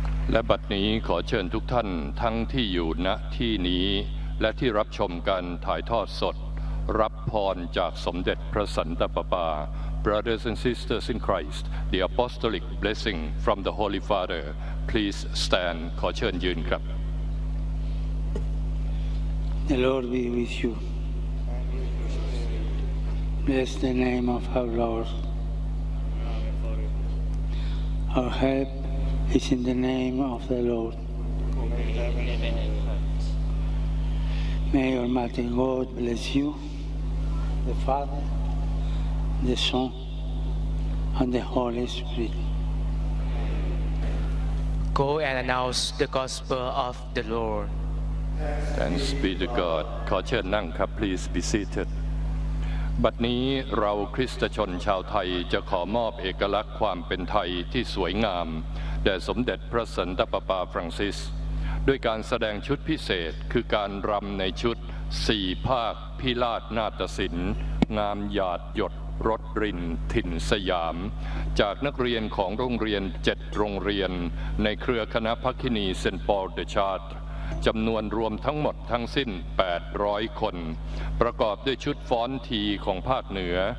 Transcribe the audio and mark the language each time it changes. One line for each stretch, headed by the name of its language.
Thai: และบัดนี้ขอเชิญทุกท่านทั้งที่อยู่ณที่นี้และที่รับชมการถ่ายทอดสดรับพรจากสมเด็จพระสันตะปาปา
English: Brothers and Sisters in Christ The Apostolic Blessing from the Holy Father Please stand
Thai: ขอเชิญยืนครับ
English: The Lord be with you Bless the name of our Lord Our help is in the name of the Lord. May Almighty God bless you, the Father, the Son, and the Holy Spirit. Go and announce the gospel of the Lord. Thanks be to God.
Thai: ขอเชิญนั่งครับ
English: please be seated.
Thai: บัดนี้เราคริสตชนชาวไทยจะขอมอบเอกลักษณ์ความเป็นไทยที่สวยงามแด่สมเด็จพระสันตะปาปาฟรังซิส ด้วยการแสดงชุดพิเศษคือการรำในชุดสี่ภาคพิราชนาฏศิลป์งามหยาดหยดรถรินถิ่นสยามจากนักเรียนของโรงเรียน7โรงเรียนในเครือคณะพักคินีเซนต์ปอลเดชาร์ตจำนวนรวมทั้งหมดทั้งสิ้น800คนประกอบด้วยชุดฟ้อนทีของภาคเหนือ